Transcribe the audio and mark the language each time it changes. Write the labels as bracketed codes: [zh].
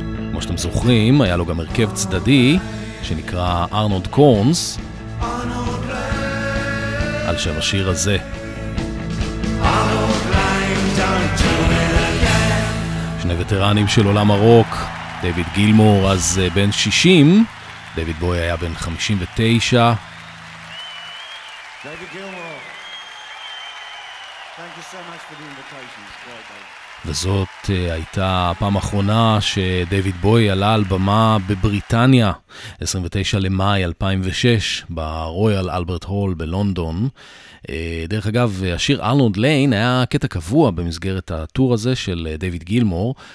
[he] כמו שאתם זוכרים, היה לו גם הרכב צדדי שנקרא ארנולד קורנס, על שם השיר הזה. שני וטרנים של עולם הרוק, דיוויד גילמור אז בן 60, דיוויד בוי היה בן 59. [en] דיוויד גילמור, thank you so much for the invitation. It's great, baby. [he] וזאת הייתה הפעם האחרונה שדייוויד בוי עלה על במה בבריטניה, 29 למאי 2006, ברויאל אלברט הול בלונדון. דרך אגב, השיר ארנולד ליין היה קטע קבוע במסגרת הטור הזה של דייוויד גילמור.